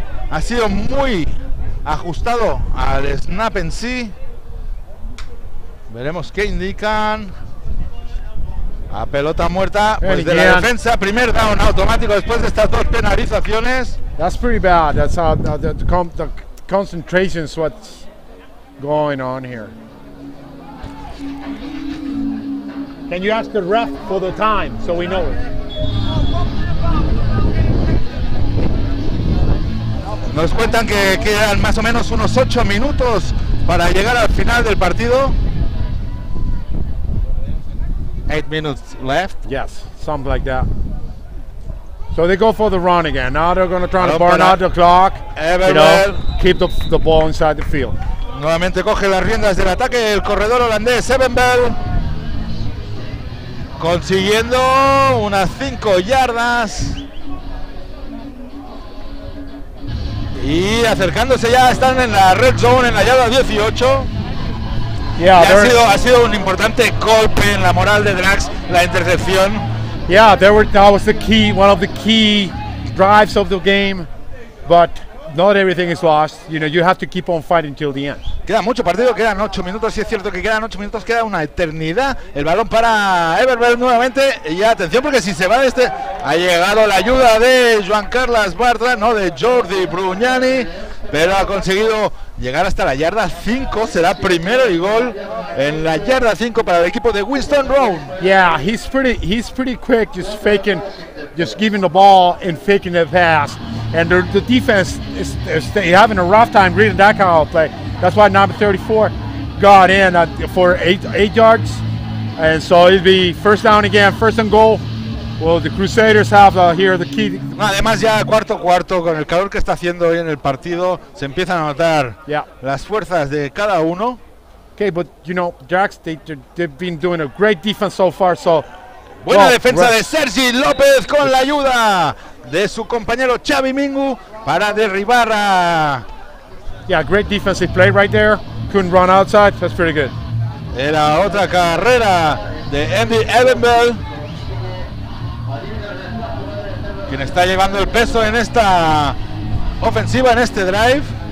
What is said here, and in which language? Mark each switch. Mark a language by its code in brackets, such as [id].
[es] Ha sido muy ajustado al snap en sí. Veremos qué indican. A pelota muerta, pues de la defensa. Primer down automático después de estas dos penalizaciones. [en] That's pretty bad. That's how the concentration is what's going on here. Can you ask the ref for the time so we know it? [es] Nos cuentan que quedan más o menos unos 8 minutos para llegar al final del partido. [en] 8 minutes left. Yes, something like that. So they go for the run again. Now they're going to try to burn out the clock. Keep the ball inside the field. [es] Nuevamente coge las riendas del ataque el corredor holandés Evan Bell, consiguiendo unas 5 yardas. Y acercándose ya, están en la red zone, en la yarda 18. Ha sido un importante golpe en la moral de Drax, la intercepción. That was the key, one of the key drives of the game. But not everything is lost. You know, you have to keep on fighting till the end. Queda mucho partido, quedan 8 minutos. Sí, es cierto que quedan 8 minutos, queda una eternidad. El balón para Everbell nuevamente. Y atención, porque si se va de este, ha llegado la ayuda de Joan Carles Bartra, no de Jordi Brugnani. Pero ha conseguido llegar hasta la yarda 5. Será primero y gol en la yarda 5 para el equipo de Winston Brown. [en] Yeah, he's pretty quick, just giving the ball and faking the pass. And the defense is having a rough time reading that kind of play. That's why number 34 got in for eight yards. And so it'd be first down again, first and goal. Well, the Crusaders have here the key. [es] Además, ya cuarto, con el calor que está haciendo hoy en el partido, se empiezan a notar las fuerzas de cada uno. [en] Okay, but you know, Drax, they've been doing a great defense so far, so [es] Buena defensa de Sergi López con la ayuda de su compañero Xavi Mingu para derribar a... [en] Yeah, great defensive play right there. Couldn't run outside. That's pretty good. [es] Era otra carrera de Andy Evenbell, quien está llevando el peso en esta ofensiva, en este drive.